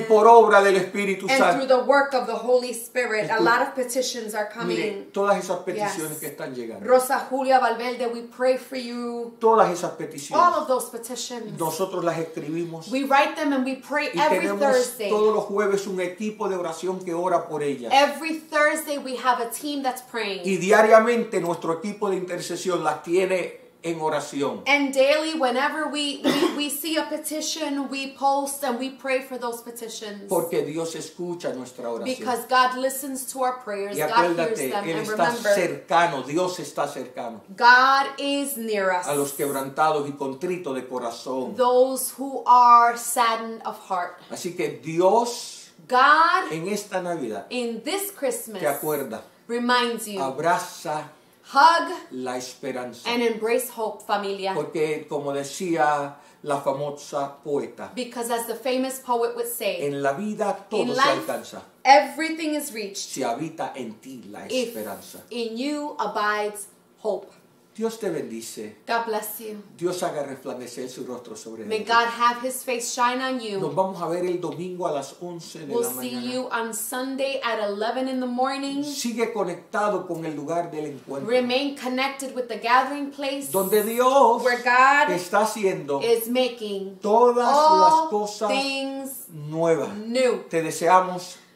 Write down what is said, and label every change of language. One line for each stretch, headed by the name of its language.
Spanish: Y por obra del Espíritu
English: and
Spanish: Santo.
English: And through the work of the Holy Spirit, a lot of petitions are coming.
Spanish: Mire, todas esas peticiones yes. que están llegando.
English: Rosa Julia Valverde, we pray for you.
Spanish: Todas esas peticiones.
English: All of those petitions.
Spanish: Nosotros las escribimos.
English: We write them and we pray every Thursday.
Spanish: Todos los jueves un equipo de oración que ora por ellas.
English: Every Thursday we have a team that's praying.
Spanish: Y diariamente nuestro equipo de intercesión las tiene en oración.
English: And daily, whenever we see a petition, we post and we pray for those petitions.
Spanish: Porque Dios escucha nuestra oración.
English: Because God listens to our prayers.
Spanish: Y acuérdate,
English: God hears them.
Spanish: Él
English: and
Spanish: está
English: remember,
Spanish: cercano. Dios está cercano.
English: God is near us.
Spanish: A los quebrantados y contritos de corazón.
English: Those who are saddened of heart.
Spanish: Así que Dios,
English: God,
Spanish: en esta Navidad,
English: in this Christmas,
Spanish: te acuerda,
English: reminds you,
Spanish: abraza,
English: hug
Spanish: la esperanza,
English: and embrace hope,
Spanish: familia. Porque, como decía la famosa poeta,
English: because as the famous poet would say,
Spanish: en la vida todo
English: in
Spanish: se
English: life,
Spanish: alcanza.
English: Everything is reached.
Spanish: Si habita en ti la esperanza.
English: If in you abides hope.
Spanish: Dios te bendice.
English: God bless you.
Spanish: Dios haga resplandecer su rostro sobre ti.
English: May God have his face shine on you.
Spanish: Nos vamos a ver el domingo a las 11 de
English: we'll
Spanish: la mañana.
English: We'll see you on Sunday at 11 in the morning.
Spanish: Sigue conectado con el lugar del encuentro.
English: Remain connected with the gathering place.
Spanish: Donde Dios
English: where God
Spanish: está haciendo
English: is making
Spanish: todas
English: all
Spanish: las cosas
English: things
Spanish: nuevas.
English: New.
Spanish: Te deseamos